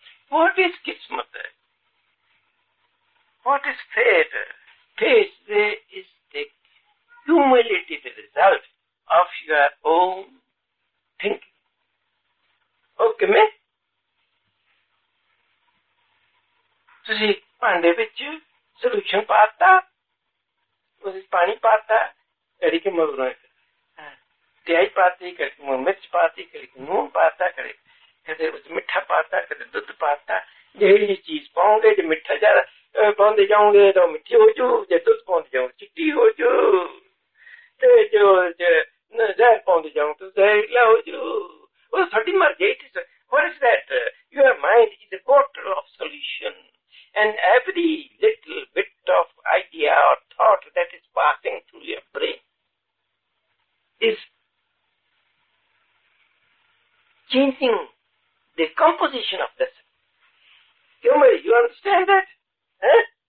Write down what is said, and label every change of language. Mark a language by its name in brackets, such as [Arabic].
[English] What is kismat? What is fate? Fate is the humility, the result of your own thinking. Okay, me? [Punjabi] ਤੁਸੀਂ ਭਾਂਡੇ ਵਿੱਚ solution ਪਾਤਾ, ਤੁਸੀਂ ਪਾਣੀ ਪਾਤਾ, ਕੜੀ ਕੇ ਮਗਰੋਂ ਇੱਕ ਤਿਆਈ ਪਾਤੀ, ਕੜੀ ਮਿਰਚ ਪਾਤੀ, ਕੜੀ ਨੂਣ ਪਾਤਾ, ਕੜੇ ਕਦੇ ਉਸ ਮਿੱਠਾ ਪਾਤਾ, ਕਦੇ ਦੁੱਧ ਪਾਤਾ. ਜਿਹੜੀ ਚੀਜ਼ ਪਾਉਂਦੇ ਜੇ ਮਿੱਠਾ ਜ਼ਿਆਦਾ ਪਾਉਂਦੇ ਜਾਓਗੇ ਤਾਂ ਮਿੱਠੀ ਹੋ ਜੂ, ਜੇ ਦੁੱਧ ਪਾਉਂਦੇ ਜਾਓ ਚਿੱਟੀ ਹੋ ਜੂ, ਤੇ ਜੋ ਜ਼ਹਿਰ ਪਾਉਂਦੇ ਜਾਓ ਤਾਂ ਜ਼ਹਿਰੀਲਾ ਹੋ ਜੂ. ਉਹ ਸਾਡੀ ਮਰਜ਼ੀ. [English] It is what is that your mind is a bottle of solution. And every little bit of idea or thought that is passing through your brain is changing the composition of the cell. You understand that? Huh?